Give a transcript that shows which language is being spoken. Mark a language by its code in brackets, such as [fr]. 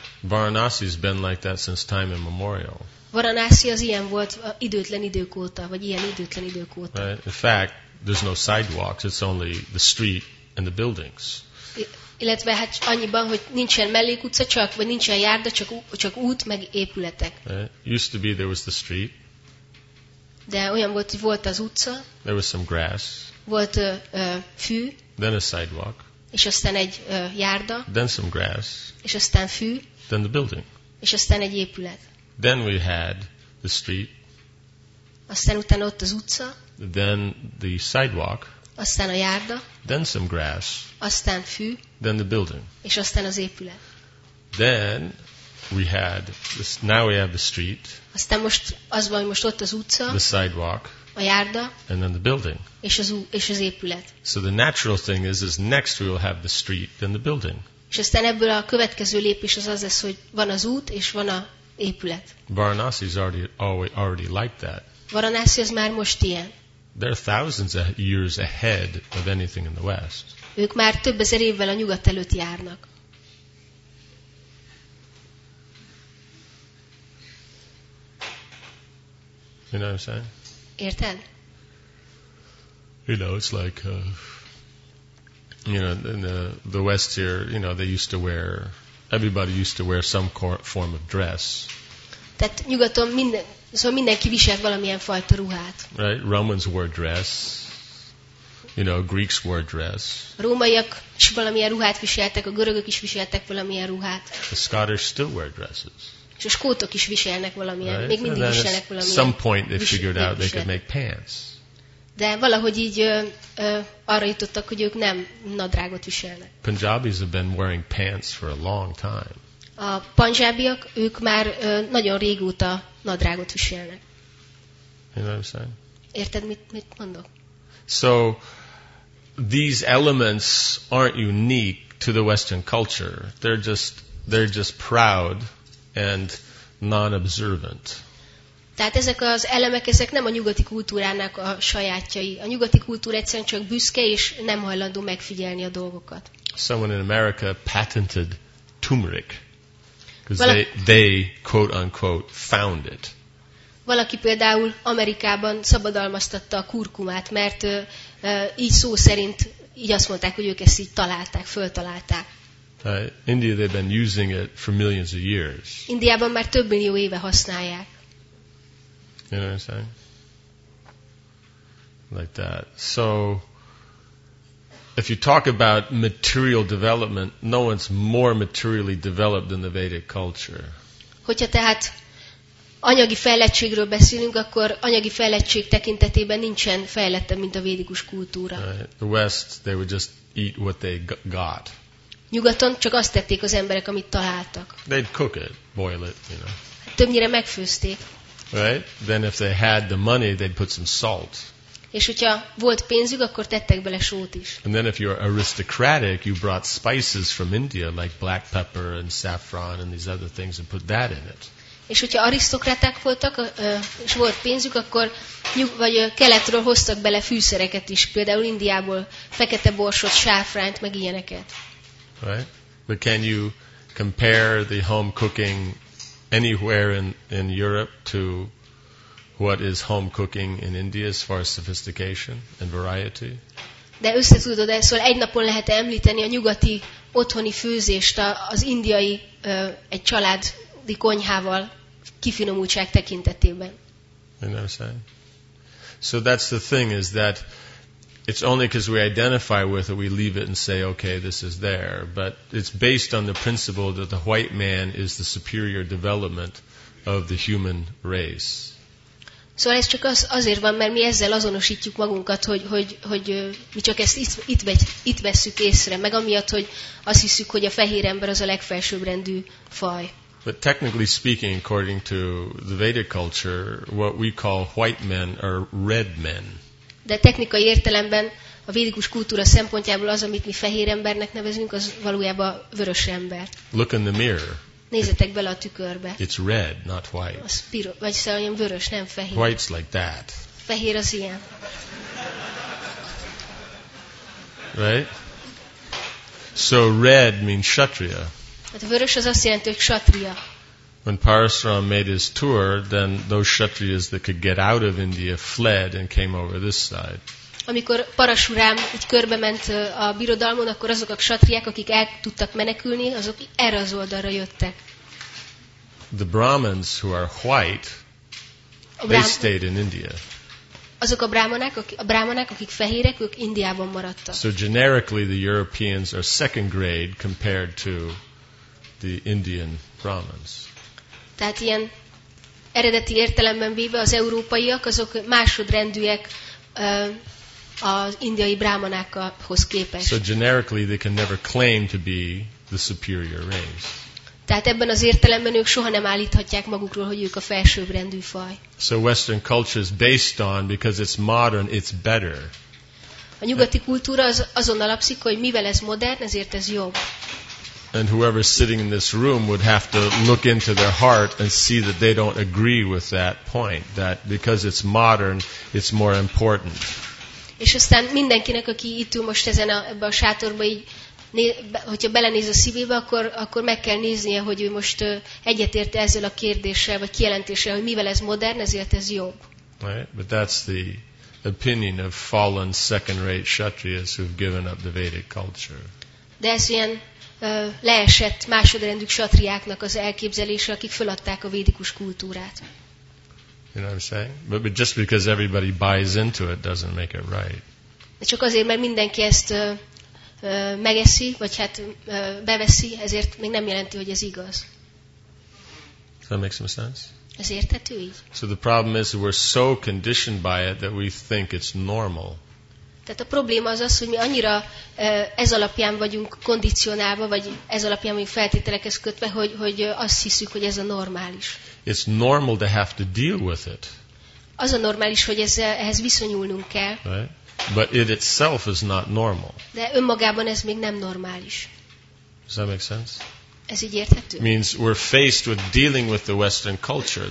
[en] Varanasi has been like that since time immemorial. [hu] Varanasi az ilyen volt időtlen idők óta, vagy ilyen időtlen idők óta. [en] Right. In fact, there's no sidewalks, it's only the street and the buildings. [hu] Illetve hát annyiban, hogy nincsen mellékutca, csak vagy nincsen járda, csak út meg épületek. [en] Right. Used to be there was the street. [hu] De olyan volt, hogy volt az utca. [en] There was some grass. [hu] Volt fű. [en] Then a sidewalk. [hu] És aztán egy járda. [en] Then some grass. [hu] És aztán fű. [en] Then the building. [hu] És aztán egy épület. [en] Then we had the street. [hu] Aztán utána ott az utca. [en] Then the sidewalk. [hu] Aztán a járda. [en] Then some grass. [hu] Aztán fű. [en] Then the building. [hu] És aztán az épület. [en] Then we had this, now we have the street. [hu] Aztán most az van, hogy most ott az utca. [en] The sidewalk. [hu] A járda. [en] And then the building. [hu] És az épület. [en] So the natural thing is next we will have the street, then the building. [hu] És aztán ebből a következő lépés az lesz, hogy van az út és van a épület. [en] Varanasi is already like that. [hu] Varanasi az már most ilyen. [en] they're thousands of years ahead of anything in the West. [hu] Ők már több ezer évvel a nyugat előtt járnak. [en] You know what I'm saying? [hu] Érted? [en] You know, it's like, you know, in the West here, you know, they used to wear, everybody used to wear some form of dress. [hu] Tehát nyugaton minden, szóval mindenki viselt valamilyen fajta ruhát. [en] Right? Romans wore dress. You know, Greeks wore dress. [hu] Rómaiak is valamilyen ruhát viseltek, a görögök is viseltek valamilyen ruhát. [en] The Scottish still wear dresses. [hu] És a skótok is viselnek valamilyen, right? Még mindig viselnek valamilyen. [en] Some point they figured out they could make pants. [hu] De valahogy így arra jutottak, hogy ők nem nadrágot viselnek. [en] Punjabis have been wearing pants for a long time. [hu] A panzsábiak, ők már nagyon régóta nadrágot viselnek. [en] You know what I'm saying? [hu] Érted, mit mondok? [en] So these elements aren't unique to the Western culture. They're just proud and non-observant. [hu] Tehát ezek az elemek, ezek nem a nyugati kultúrának a sajátjai. A nyugati kultúra egyszerűen csak büszke és nem hajlandó megfigyelni a dolgokat. [en] Someone in America patented turmeric. Because they quote unquote found it. [hu] Valaki például Amerikában szabadalmaztatta a kurkumát, mert így szó szerint így azt mondták, hogy ők ezt így találták, föltalálták. [en] India, they've been using it for millions of years. [hu] Indiában már több millió éve használják. [en] You know what I'm saying? Like that. So if you talk about material development, no one's more materially developed than the Vedic culture. [hu] Hogyha tehát anyagi fejlettségről beszélünk, akkor anyagi fejlettség tekintetében nincsen fejlettebb, mint a védikus kultúra. [en] The West, they would just eat what they got. [hu] Nyugaton csak azt tették az emberek, amit találtak. [en] They'd cook it, boil it, you know. [hu] Többnyire megfőzték. [en] Right? Then if they had the money, they'd put some salt. [hu] És hogyha volt pénzük, akkor tettek bele sót is. [en] And then if you're aristocratic, you brought spices from India, like black pepper and saffron and these other things, and put that in it. [hu] És hogyha arisztokraták voltak, és volt pénzük, akkor vagy keletről hoztak bele fűszereket is, például Indiából fekete borsot, sáfránt, meg ilyeneket. [en] Right? But can you compare the home cooking anywhere in Europe to what is home cooking in India as far as sophistication and variety? [hu] De össze tudod, szóval egy napon lehet említeni a nyugati otthoni főzést az indiai egy családi konyhával kifinomultság tekintetében. [en] You know what I'm saying? So that's the thing, is that it's only because we identify with it, we leave it and say, okay, this is there. But it's based on the principle that the white man is the superior development of the human race. [hu] Szóval ez csak azért van, mert mi ezzel azonosítjuk magunkat, hogy mi csak ezt itt vesszük észre, meg amiatt, hogy azt hiszük, hogy a fehér ember az a legfelsőbbrendű faj. [en] But technically speaking, according to the Vedic culture, what we call white men are red men. [hu] De technikai értelemben a védikus kultúra szempontjából az, amit mi fehér embernek nevezünk, az valójában vörös ember. [en] Look in the mirror. [hu] Nézzetek bele a tükörbe. [en] It's red, not white. [hu] A spiro, vagy szóval olyan vörös, nem fehér. [en] White's like that. [hu] Fehér az ilyen. [en] Right? So red means kshatriya. [hu] Hát a vörös az azt jelenti, hogy kshatriya. [en] When Parasram made his tour, then those kshatriyas that could get out of India fled and came over this side. [hu] Amikor Parasuram így körbe ment a birodalmon, akkor azok a kshatriyák, akik el tudtak menekülni, azok erre az oldalra jöttek. [en] The Brahmins who are white, they stayed in India. [hu] Azok a brahmanák, akik fehérek, ők Indiában maradtak. [en] So generically the Europeans are second grade compared to the Indian Brahmins. [hu] Tehát ilyen eredeti értelemben véve az európaiak, azok másodrendűek az indiai brámanákhoz képest. [en] So generically they can never claim to be the superior race. [hu] Tehát ebben az értelemben ők soha nem állíthatják magukról, hogy ők a felsőbbrendű faj. [en] So Western culture is based on, because it's modern, it's better. [hu] A nyugati kultúra az azon alapszik, hogy mivel ez modern, ezért ez jobb. [en] And whoever is sitting in this room would have to look into their heart and see that they don't agree with that point, that because it's modern, it's more important. [hu] És aztán mindenkinek, aki itt ül most ezen a sátorban, így, hogyha belenéz a szívébe, akkor meg kell néznie, hogy ő most egyetérte ezzel a kérdéssel, vagy kijelentéssel, hogy mivel ez modern, ezért ez jobb. [en] Right? But that's the opinion of fallen second-rate kshatriyas who've given up the Vedic culture. [hu] De ez ilyen leesett másodrendű kshatriáknak az elképzelése, akik föladták a védikus kultúrát. [en] You know what I'm saying? But just because everybody buys into it doesn't make it right. [hu] De csak azért, mert mindenki ezt megeszi, vagy hát beveszi, ezért még nem jelenti, hogy ez igaz. [en] Does that make some sense? [hu] Ez érthető így? [en] So the problem is we're so conditioned by it that we think it's normal. [hu] Tehát a probléma az, hogy mi annyira ez alapján vagyunk kondicionálva, vagy ez alapján vagyunk feltételekhez kötve, hogy azt hiszük, hogy ez a normális. [en] It's normal to have to deal with it. [hu] Az a normális, hogy ehhez viszonyulnunk kell. [en] Right? But it itself is not normal. [hu] De önmagában ez még nem normális. [en] Does that make sense? [hu] Ez így érthető? [en] Means we're faced with dealing with the Western culture.